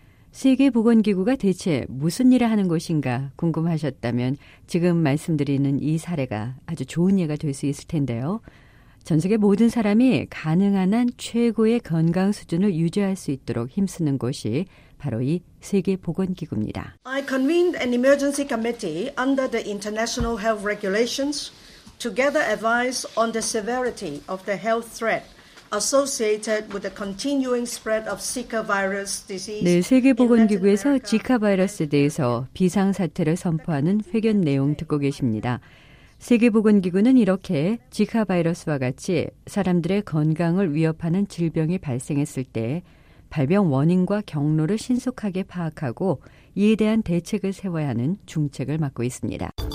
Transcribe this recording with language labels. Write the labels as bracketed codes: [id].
[ko] 세계보건기구가 대체 무슨 일을 하는 곳인가 궁금하셨다면 지금 말씀드리는 이 사례가 아주 좋은 예가 될 수 있을 텐데요. 전 세계 모든 사람이 가능한 한 최고의 건강 수준을 유지할 수 있도록 힘쓰는 곳이 바로 이 세계보건기구입니다. [en] I convened an emergency committee under the international health regulations to gather advice on the severity of the health threat. Associated with the continuing spread of Zika virus disease. [ko] 네, 세계보건기구에서 지카 바이러스에 대해서 비상 사태를 선포하는 회견 내용 듣고 계십니다. 세계보건기구는 이렇게 지카 바이러스와 같이 사람들의 건강을 위협하는 질병이 발생했을 때 발병 원인과 경로를 신속하게 파악하고 이에 대한 대책을 세워야 하는 중책을 맡고 있습니다.